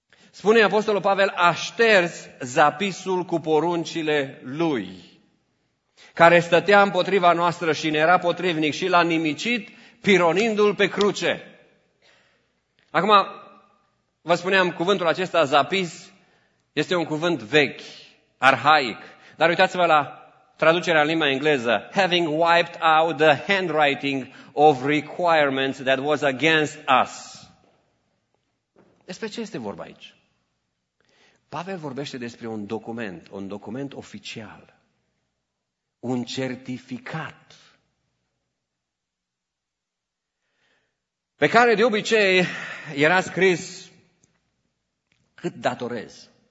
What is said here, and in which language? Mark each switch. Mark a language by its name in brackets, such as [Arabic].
[Romanian] Spune Apostolul Pavel, a șters zapisul cu poruncile lui, care stătea împotriva noastră și ne era potrivnic și l-a nimicit, pironindu-l pe cruce. Acum, vă spuneam, cuvântul acesta, zapis, este un cuvânt vechi, arhaic. Dar uitați-vă la traducerea în limba engleză, [English] having wiped out the handwriting of requirements that was against us. [Romanian] Despre ce este vorba aici? Pavel vorbește despre un document oficial, un certificat, pe care de obicei era scris cât datorez.